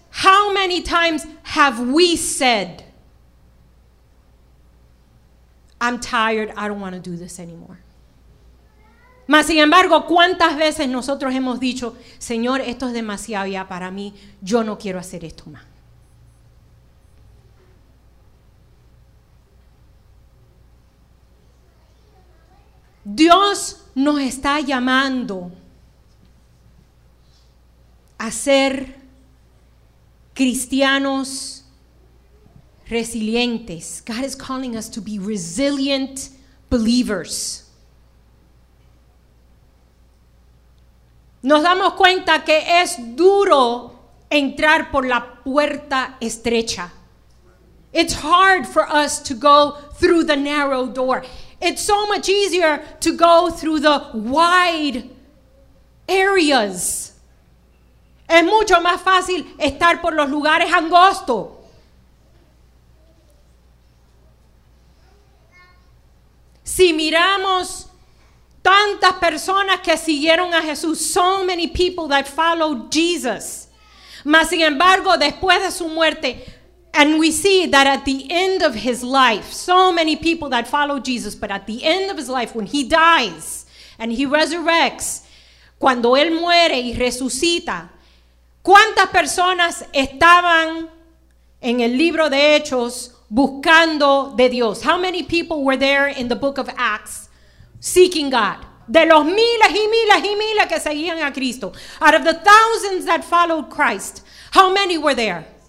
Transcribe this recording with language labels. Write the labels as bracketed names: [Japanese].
[English] How many times have we said, I'm tired, I don't want to do this anymore? [Spanish] Mas sin embargo, ¿cuántas veces nosotros hemos dicho, Señor, esto es demasiado ya para mí, yo no quiero hacer esto más? Dios nos está llamando a ser cristianos resilientes. [English] God is calling us to be resilient believers. [Spanish] Nos damos cuenta que es duro entrar por la puerta estrecha. [English] It's hard for us to go through the narrow door. It's so much easier to go through the wide areas. [Spanish] Es mucho más fácil estar por los lugares angostos. Si miramos tantas personas que siguieron a Jesús, [English] so many people that followed Jesus, [Spanish] mas sin embargo, después de su muerte, [English] and we see that at the end of his life, so many people that followed Jesus, but at the end of his life, when he dies and he resurrects, [Spanish] cuando él muere y resucita, ¿cuántas personas estaban en el libro de Hechos buscando de Dios? [English] How many people were there in the book of Acts seeking God? [Spanish] De los miles y miles y miles que seguían a Cristo. [English] Out of the thousands that followed Christ, how many were there?